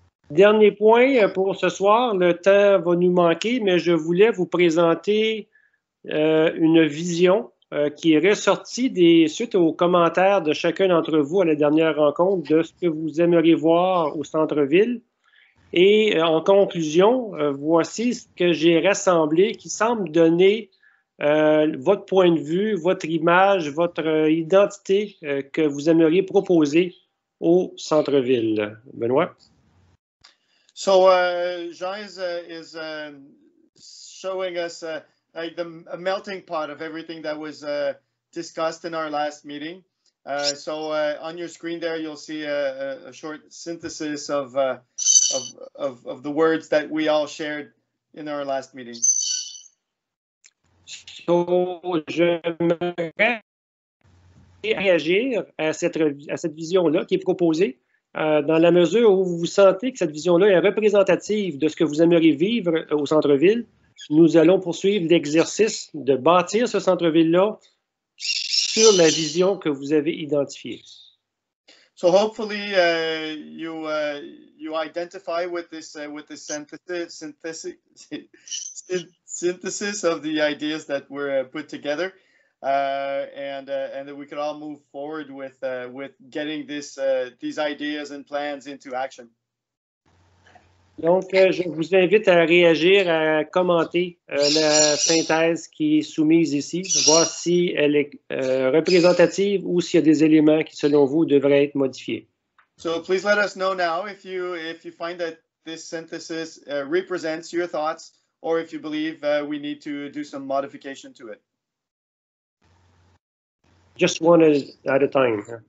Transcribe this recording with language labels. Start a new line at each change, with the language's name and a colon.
French: Dernier point pour ce soir, le temps va nous manquer, mais je voulais vous présenter une vision qui est ressortie suite aux commentaires de chacun d'entre vous à la dernière rencontre de ce que vous aimeriez voir au centre-ville. Et en conclusion, voici ce que j'ai rassemblé qui semble donner votre point de vue, votre image, votre identité que vous aimeriez proposer au centre-ville. Benoît?
English: So, Jean is showing us like a melting pot of everything that was discussed in our last meeting. On your screen there, you'll see a short synthesis of the words that we all shared in our last meeting.
French: So, je me réagir à cette vision-là qui est proposée. Dans la mesure où vous sentez que cette vision-là est représentative de ce que vous aimeriez vivre au centre-ville, nous allons poursuivre l'exercice de bâtir ce centre-ville-là sur la vision que vous avez identifiée.
English: So hopefully you identify with this synthesis of the ideas that were put together and that we could all move forward with getting this these ideas and plans into action.
French: Donc, je vous invite à réagir, à commenter la synthèse qui est soumise ici, voir si elle est représentative ou s'il y a des éléments qui, selon vous, devraient être modifiés.
English: So, please let us know now if you find that this synthesis represents your thoughts or if you believe we need to do some modification to it. Just one at a time.